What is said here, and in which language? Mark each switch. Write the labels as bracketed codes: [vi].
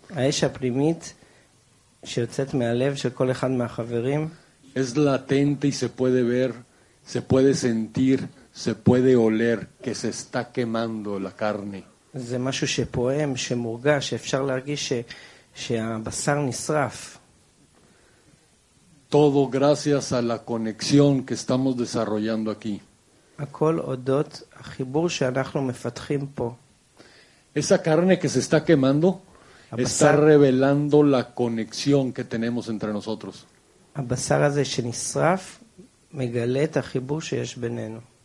[es] Es latente y se puede ver, se puede sentir, se puede oler que se está quemando la carne. Todo gracias a la conexión que estamos desarrollando aquí. [he] הכל הודות החיבור שאנחנו מפתחים פה. [es] Esa carne que se está quemando está revelando la conexión que tenemos entre nosotros. [he] הבשר הזה שנשרף מגלה את החיבור שיש בינינו.